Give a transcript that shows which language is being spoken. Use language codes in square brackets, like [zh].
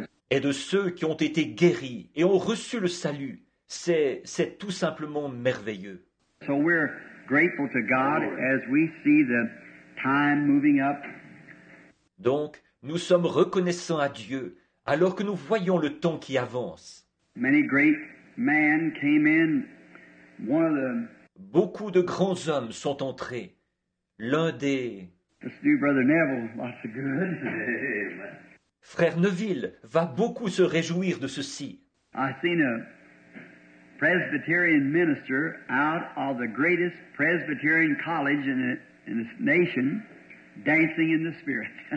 [fr] Et de ceux qui ont été guéris et ont reçu le salut. C'est tout simplement merveilleux. [en] So we're grateful to God as we see the time moving up. [fr] Donc, nous sommes reconnaissants à Dieu alors que nous voyons le temps qui avance. [en] Many great men came in. One of them. [fr] Beaucoup de grands hommes sont entrés. L'un des... [en] This new brother Neville, lots of good. [fr] Frère Neville va beaucoup se réjouir de ceci. [en] I've seen a Presbyterian minister out of the greatest Presbyterian college in this nation dancing in the spirit.